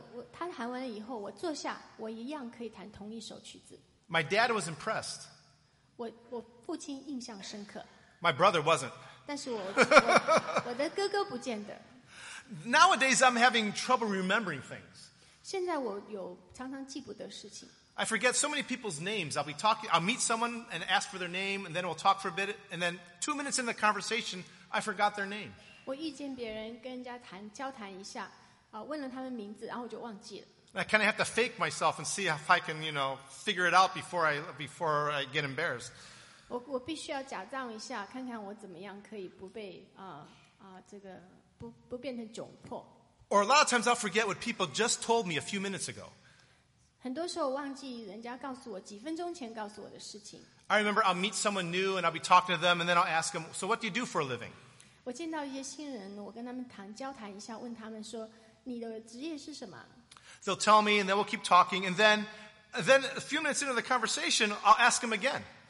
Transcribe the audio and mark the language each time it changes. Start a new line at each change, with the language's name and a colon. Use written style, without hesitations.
Chinese: 他弹完了以后，我坐下，我一样可以弹同一首曲子。
English: My dad was impressed.
Chinese: 我父亲印象深刻。
English: My brother wasn't.
Chinese: 但是我的哥哥不见得。
English: Nowadays, I'm having trouble remembering things.
Chinese: 现在我有常常记不得事情。
English: I forget so many people's names. I'll meet someone and ask for their name, and then we'll talk for a bit, and then 2 minutes in the conversation, I forgot their name.
Chinese: 我遇见别人跟人家谈，交谈一下。问了他们名字，然后我就忘记了。
English: I kind of have to fake myself and see if I can, you know, figure it out before I get embarrassed.
Chinese: 我必须要假装一下，看看我怎么样可以不被 这个不变成窘迫。
English: Or a lot of times I'll forget what people just told me a few minutes ago.
Chinese: 很多时候我忘记人家告诉我几分钟前告诉我的事情。
English: I remember I'll meet someone new and I'll be talking to them and then I'll ask them, so what do you do for a living?
Chinese: 我见到一些新人，我跟他们谈，交谈一下，问他们说。你的职业是什么?
English: They'll tell me, and then we'll keep talking, and then a few minutes into the conversation, I'll ask them again.